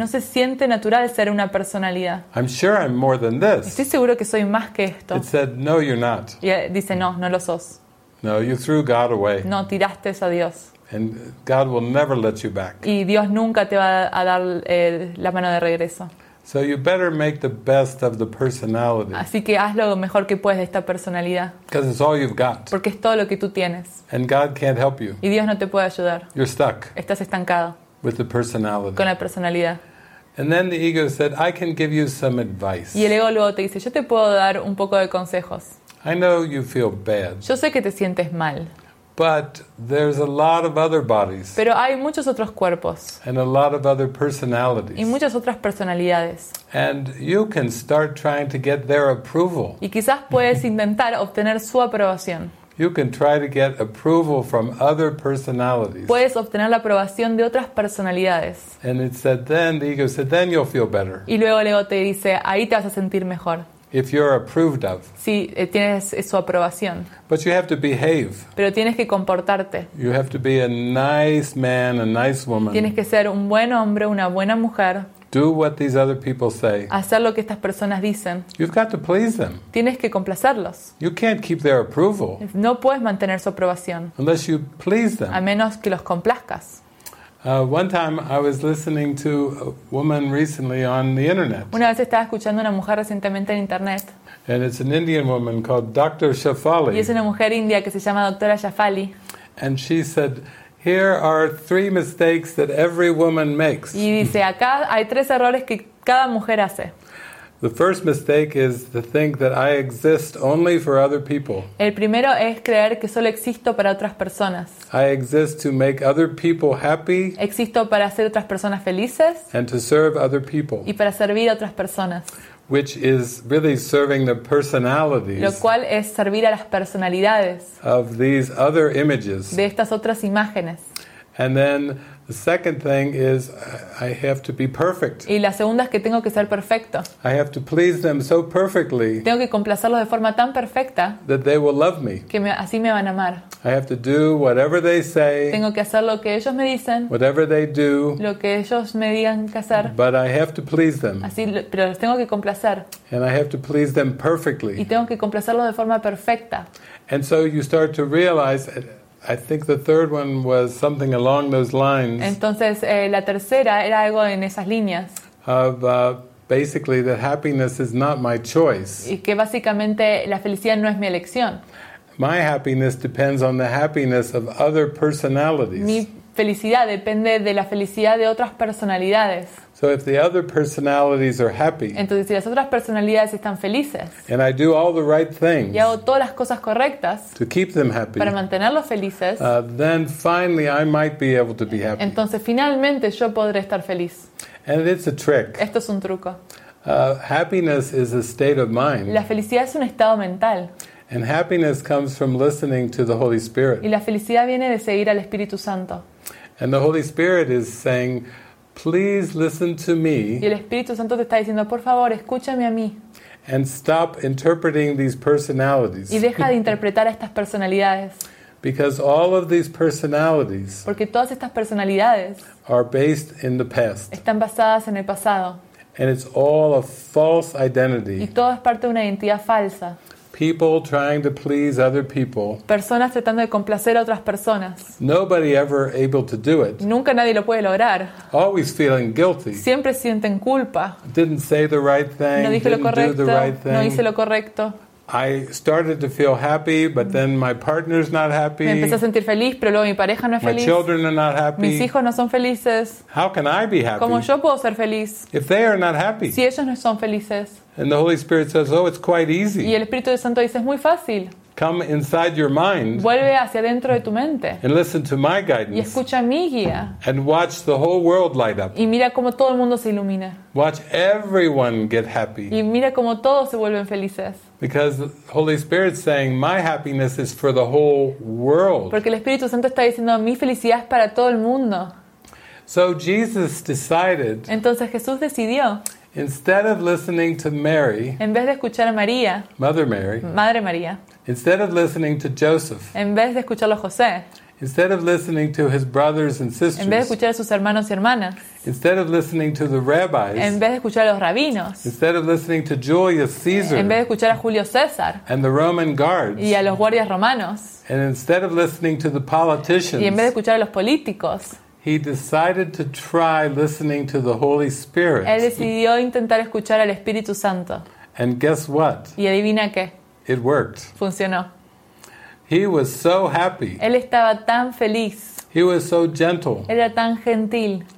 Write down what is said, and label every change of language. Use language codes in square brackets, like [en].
[es] No se siente natural ser una personalidad. [en] I'm sure I'm more than this. [es] Estoy seguro que soy más que esto. [en] It said, "No, you're not." [es] Y dice, no lo sos. [en] No, you threw God away. [es] No, tiraste a Dios. [en] And God will never let you back. [es] Y Dios nunca te va a dar la mano de regreso. [en] So you better make the best of the personality. [es] Así que haz lo mejor que puedes de esta personalidad. [en] Because it's all you've got. [es] Porque es todo lo que tú tienes. [en] And God can't help you. [es] Y Dios no te puede ayudar. [en] You're stuck. [es] Estás estancado. [en] With the personality. [es] Con la personalidad. [en] And then the ego said, "I can give you some advice." [es] Y el ego luego te dice, "Yo te puedo dar un poco de consejos." [en] I know you feel bad. [es] Yo sé que te sientes mal. [en] But there's a lot of other bodies. [es] Pero hay muchos otros cuerpos. [en] And a lot of other personalities. [es] Y muchas otras personalidades. [en] And you can start trying to get their approval. [es] Y quizás puedes intentar obtener su aprobación. [en] You can try to get approval from other personalities. [es] Puedes obtener la aprobación de otras personalidades. [en] And it said then, the ego said, then you'll feel better. [es] Y luego el ego te dice, ahí te vas a sentir mejor. [en] If you're approved of. [es] Sí, tienes su aprobación. [en] But you have to behave. [es] Pero tienes que comportarte. [en] You have to be a nice man, a nice woman. [es] Tienes que ser un buen hombre, una buena mujer. [en] Do what these other people say. [es] Hacer lo que estas personas dicen. [en] You've got to please them. [es] Tienes que complacerlos. [en] You can't keep their approval. [es] No puedes mantener su aprobación. [en] Unless you please them. [es] A menos que los complazcas. [en] One time I was listening to a woman recently on the internet. [es] Una vez estaba escuchando a una mujer recientemente en internet. [en] And it's an Indian woman called Dr. Shafali. [es] Y es una mujer india que se llama Doctora Shafali. [en] And she said, "Here are three mistakes that every woman makes." [es] Y dice, acá hay tres errores que cada mujer hace. [en] The first mistake is to think that I exist only for other people. [es] El primero es creer que solo existo para otras personas. [en] I exist to make other people happy. [es] Existo para hacer otras personas felices. [en] And to serve other people. [es] Y para servir a otras personas. [en] Which is really serving the personalities. [es] Lo cual es servir a las personalidades. [en] Of these other images. [es] De estas otras imágenes. [en] And then the second thing is I have to be perfect. [es] Y la segunda es que tengo que ser perfecto. [en] I have to please them so perfectly. [es] Tengo que complacerlos de forma tan perfecta. [en] That they will love me. [es] Que así me van a amar. [en] I have to do whatever they say. [es] Tengo que hacer lo que ellos me dicen. [en] Whatever they do. [es] Lo que ellos me digan que hacer. [en] But I have to please them. [es] Así, pero los tengo que complacer. [en] And I have to please them perfectly. [es] Y tengo que complacerlos de forma perfecta. [en] And so you start to realize. I think the third one was something along those lines. [es] Entonces, la tercera era algo en esas líneas. [en] Of basically that happiness is not my choice. [es] Y que básicamente la felicidad no es mi elección. [en] My happiness depends on the happiness of other personalities. [es] Mi felicidad depende de la felicidad de otras personalidades. [en] So if the other personalities are happy, [es] entonces si las otras personalidades están felices, [en] and I do all the right things, [es] y hago todas las cosas correctas, [en] to keep them happy, [es] para mantenerlos felices, [en] then finally I might be able to be happy. [es] Entonces finalmente yo podré estar feliz. [en] And it's a trick. [es] Esto es un truco. [en] Happiness is a state of mind. [es] La felicidad es un estado mental. [en] And happiness comes from listening to the Holy Spirit. [es] Y la felicidad viene de seguir al Espíritu Santo. [en] And the Holy Spirit is saying, please listen to me. [es] Y el Espíritu Santo te está diciendo, por favor, escúchame a mí. [en] And stop interpreting these personalities. [es] Y deja de interpretar a estas personalidades. [en] Because all of these personalities, [es] porque todas estas personalidades, [en] are based in the past. [es] Están basadas en el pasado. [en] And it's all a false identity. [es] Y todo es parte de una identidad falsa. [en] People trying to please other people. [es] Personas tratando de complacer a otras personas. [en] Nobody ever able to do it. [es] Nunca nadie lo puede lograr. [en] Always feeling guilty. [es] Siempre sienten culpa. [en] Didn't say the right thing. [es] No dije lo correcto. [en] Didn't do the right thing. [es] No hice lo correcto. [en] I started to feel happy, but then my partner's not happy. [es] Me empecé a sentir feliz, pero luego mi pareja no es feliz. [en] My children are not happy. [es] Mis hijos no son felices. [en] How can I be happy? [es] ¿Cómo yo puedo ser feliz? [en] If they are not happy. [es] Si ellos no son felices. [en] And the Holy Spirit says, "Oh, it's quite easy." [es] Y el Espíritu Santo dice, es muy fácil. [en] Come inside your mind. [es] Vuelve hacia dentro de tu mente. [en] And listen to my guidance. [es] Y escucha mi guía. [en] And watch the whole world light up. [es] Y mira cómo todo el mundo se ilumina. [en] Watch everyone get happy. [es] Y mira cómo todos se vuelven felices. [en] Because the Holy Spirit is saying, "My happiness is for the whole world." [es] Porque el Espíritu Santo está diciendo, mi felicidad es para todo el mundo. [en] So Jesus decided. [es] Entonces Jesús decidió. [en] Instead of listening to Mary, [es] en vez de escuchar a María, [en] Mother Mary, [es] Madre María, [en] instead of listening to Joseph, [es] en vez de escucharlo a José, [en] instead of listening to his brothers and sisters, [es] en vez de escuchar a sus hermanos y hermanas, [en] instead of listening to the rabbis, [es] en vez de escuchar a los rabinos, [en] instead of listening to Julius Caesar, [es] en vez de escuchar a Julio César, [en] and the Roman guards, [es] y a los guardias romanos, [en] and instead of listening to the politicians, [es] y en vez de escuchar a los políticos, [en] he decided to try listening to the Holy Spirit. [es] Él decidió intentar escuchar al Espíritu Santo. [en] And guess what? [es] ¿Y adivina qué? [en] It worked. [es] Funcionó. [en] He was so happy. [es] Él estaba tan feliz. [en] He was so gentle. [es] Él era tan gentil.